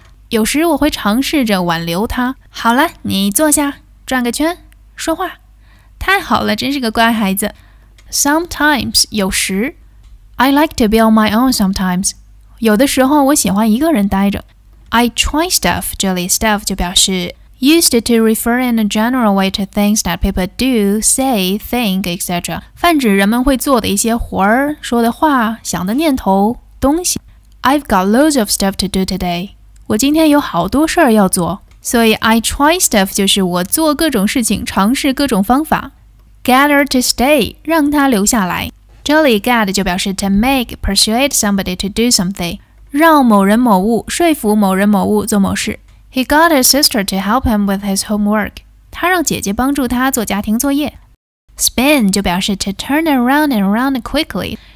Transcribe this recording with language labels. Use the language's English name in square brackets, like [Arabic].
[Chinese] 有时我会尝试着挽留他。好了，你坐下，转个圈，说话。太好了，真是个乖孩子。 Sometimes, 有时。 [English] I like to be on my own sometimes. [Chinese] 有的时候我喜欢一个人待着。 [English] I try stuff, [Chinese] 这里 [English] stuff [Chinese] 就表示 [English] used to refer in a general way to things that people do, say, think, etc. [Chinese] 泛指人们会做的一些活儿、说的话、想的念头、东西。 [English] I've got loads of stuff to do today. [Chinese] 我今天有好多事儿要做。所以 [English] I try stuff [Chinese] 就是我做各种事情、尝试各种方法。 [English] Get her to stay, [Chinese] 让她留下来。这里 [English] get [Chinese] 就表示 [English] to make, persuade somebody to do something, [Chinese] 让某人某物说服某人某物做某事。 [English] He got his sister to help him with his homework. [Chinese] 他让姐姐帮助他做家庭作业。 [English] Spin [Chinese] 就表示 [English] to turn around and around quickly,